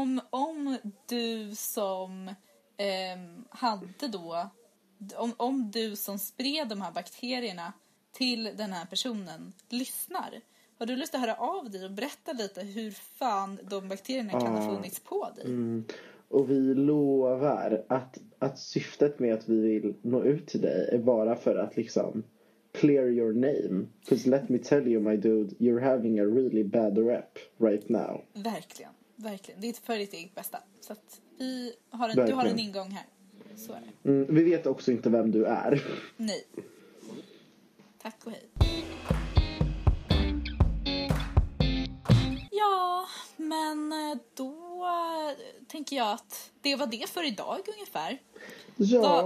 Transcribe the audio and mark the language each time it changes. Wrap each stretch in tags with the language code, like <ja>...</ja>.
<sv>Om du som hade då, om du som spred de här bakterierna till den här personen lyssnar, har du lust att höra av dig och berätta lite hur fan de bakterierna kan ha funnits på dig? Mm. Och vi lovar att syftet med att vi vill nå ut till dig är bara för att liksom clear your name.</sv> <en>Because let me tell you my dude, you're having a really bad rep right now.</en> <sv>Verkligen. Verkligen, det är för ditt eget bästa. Så att du har en ingång här. Så är det. Vi vet också inte vem du är. Nej. Tack och hej. Ja, men då tänker jag att det var det för idag ungefär. Ja.</sv>